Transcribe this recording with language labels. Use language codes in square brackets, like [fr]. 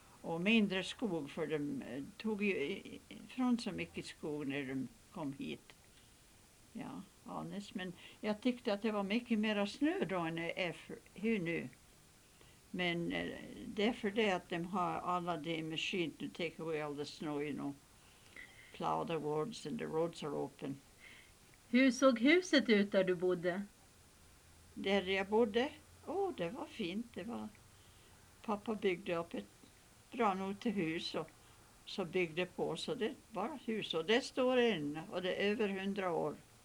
[sv] Och mindre skog, för de tog ju ifrån så mycket skog när de kom hit. Ja, honest. Men jag tyckte att det var mycket mera snö då än det är här nu. Men det är för det att de har alla de maskiner [en] to take away all the snow, you know. Plow the roads and the roads are open. [sv] Hur såg huset ut där du bodde? Där jag bodde? Det var fint. Det var. Pappa byggde upp ett bra notet hus och så byggde på. Så det var hus och det står än och det är över 100 år.